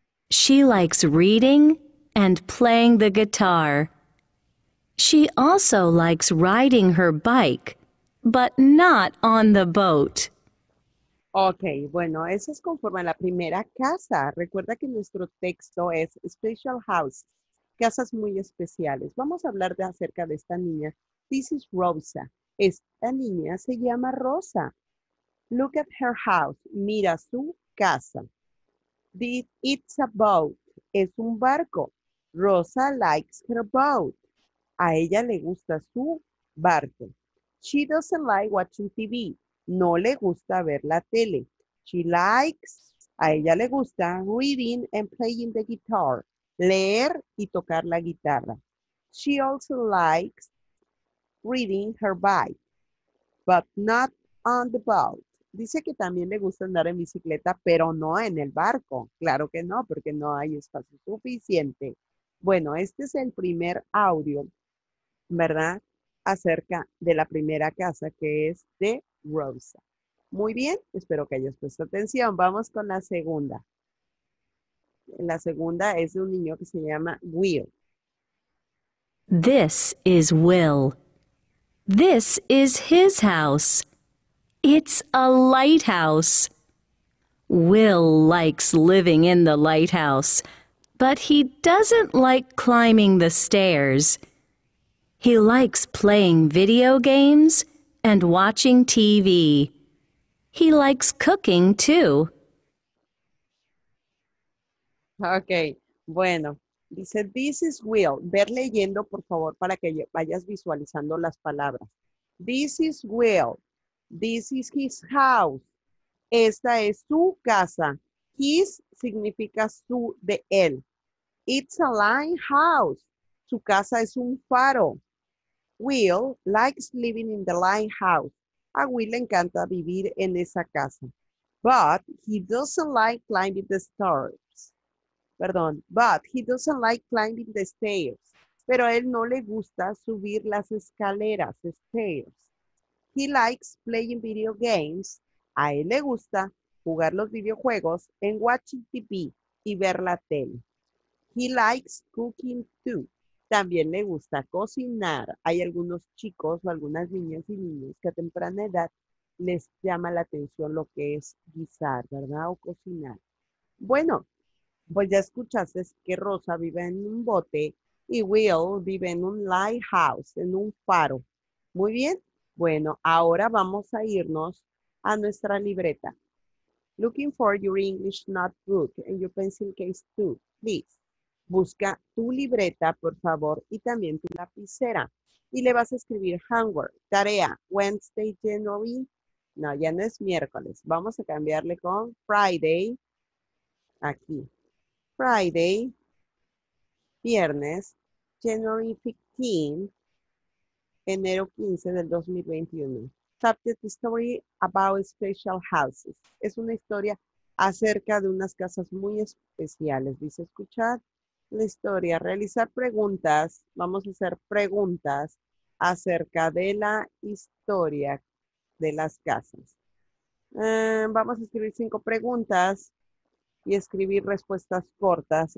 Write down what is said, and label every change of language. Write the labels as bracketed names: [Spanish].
[English] She likes reading and playing the guitar. She also likes riding her bike, but not on the boat. [Spanish] Ok, bueno, eso es conforme a la primera casa. Recuerda que nuestro texto es Special Houses, casas muy especiales. Vamos a hablar de acerca de esta niña. [English] This is Rosa. [Spanish] Esta niña se llama Rosa. [English] Look at her house. [Spanish] Mira su casa. [English] It's a boat. [Spanish] Es un barco. [English] Rosa likes her boat. [Spanish] A ella le gusta su barco. [English] She doesn't like watching TV. [Spanish] No le gusta ver la tele. [English] She likes, [Spanish] a ella le gusta, [English] reading and playing the guitar. [Spanish] Leer y tocar la guitarra. She also likes riding her bike, but not on the boat. Dice que también le gusta andar en bicicleta, pero no en el barco. Claro que no, porque no hay espacio suficiente. Bueno, este es el primer audio, ¿verdad? Acerca de la primera casa que es de Rosa. Muy bien, espero que hayas puesto atención. Vamos con la segunda. La segunda es de un niño que se llama Will. [English] This is Will. This is his house. It's a lighthouse. Will likes living in the lighthouse, but he doesn't like climbing the stairs. He likes playing video games and watching TV. He likes cooking too. Ok, bueno, dice, this is Will. [Spanish] Ver leyendo, por favor, para que vayas visualizando las palabras. [English] This is Will. This is his house. [Spanish] Esta es su casa. His significa su de él. [English] It's a lighthouse. [Spanish] Su casa es un faro. [English] Will likes living in the lighthouse. [Spanish] A Will le encanta vivir en esa casa. [English] But he doesn't like climbing the stairs. Perdón, but he doesn't like climbing the stairs. [Spanish] Pero a él no le gusta subir las escaleras, stairs. [English] He likes playing video games. [Spanish] A él le gusta jugar los videojuegos en watching TV y ver la tele. [English] He likes cooking too. [Spanish] También le gusta cocinar. Hay algunos chicos o algunas niñas y niños que a temprana edad les llama la atención lo que es guisar, ¿verdad? O cocinar. Bueno. Pues ya escuchaste que Rosa vive en un bote y Will vive en un lighthouse, en un faro. Muy bien. Bueno, ahora vamos a irnos a nuestra libreta. [English] Looking for your English notebook and your pencil case too, please. [Spanish] Busca tu libreta, por favor, y también tu lapicera. Y le vas a escribir homework, tarea, Wednesday, January. No, ya no es miércoles. Vamos a cambiarle con Friday. Aquí. Friday, viernes, January 15, enero 15 del 2021. Subject story about special houses. Es una historia acerca de unas casas muy especiales. Dice, escuchar la historia, realizar preguntas. Vamos a hacer preguntas acerca de la historia de las casas. Vamos a escribir cinco preguntas y escribir respuestas cortas.